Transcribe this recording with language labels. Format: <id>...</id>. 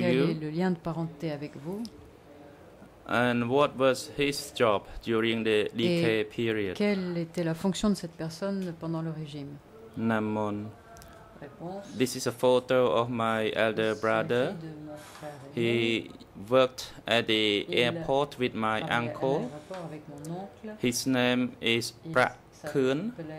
<fr>Quel est le lien de parenté avec vous?</fr> <en>And what was his job during the decay period?</en> <fr>Quelle était la fonction de cette personne pendant le régime? Namon.</fr> <en>This is a photo of my elder brother. He worked at the airport with my uncle. His name is Prakun.</en>